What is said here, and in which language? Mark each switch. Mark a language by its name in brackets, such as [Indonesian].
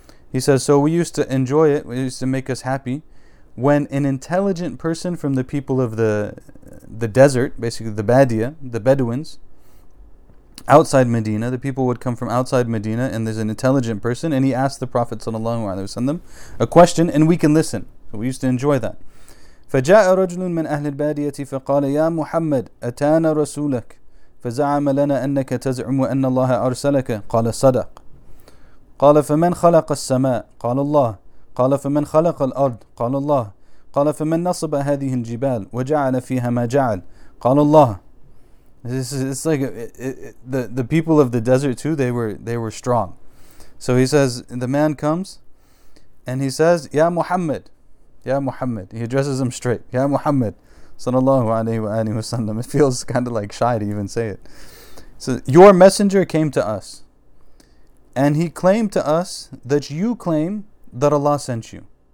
[English] He says, so we used to enjoy it, it used to make us happy, when an intelligent person from the people of the desert, basically the Badia, the Bedouins, outside Medina, the people would come from outside Medina, and there's an intelligent person, and he asked the Prophet sallallahu alaihi wasallam a question, and we can listen. So we used to enjoy that. [Arabic] فَجَاءَ رَجْلٌ مِنْ أَهْلِ الْبَادِيَةِ فَقَالَ يَا مُحَمَّدُ أَتَانَا رَسُولَكَ فَزَعَمَ لَنَا أَنَّكَ تَزْعُمُ أَنَّ اللَّهَ أَرْسَلَكَ قَالَ صَدَقَ قال فمن خلق السماء قال الله قال فمن خلق الأرض قال الله قال فمن نصب هذه الجبال وجعل فيها ما جعل قال الله. [English] It's like the people of the desert too, they were strong. So he says, the man comes and he says, Ya Muhammad, he addresses him straight, Ya Muhammad sallallahu alaihi wasallam. It feels kind of like shy to even say it. So your messenger came to us, and he claimed to us that you claim that Allah sent you.